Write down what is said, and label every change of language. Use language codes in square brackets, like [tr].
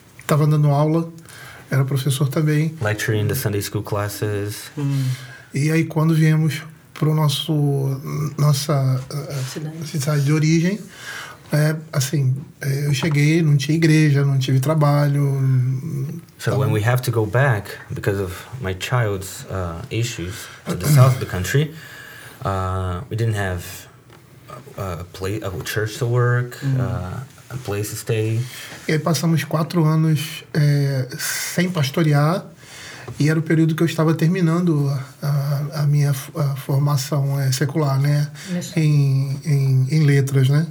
[pt] Estava dando aula, era professor também. [en] Lecturing the Sunday school classes. [pt] E aí quando viemos para o nosso nossa cidade de origem, eu cheguei, não tinha igreja, não tive trabalho. [en] So when we have to go back because of my child's issues to the south of the country, we didn't have a church to work, a place to stay. [pt] E aí passamos 4 anos sem pastorear, e era o período que eu estava terminando a minha formação secular, né, em letras, né?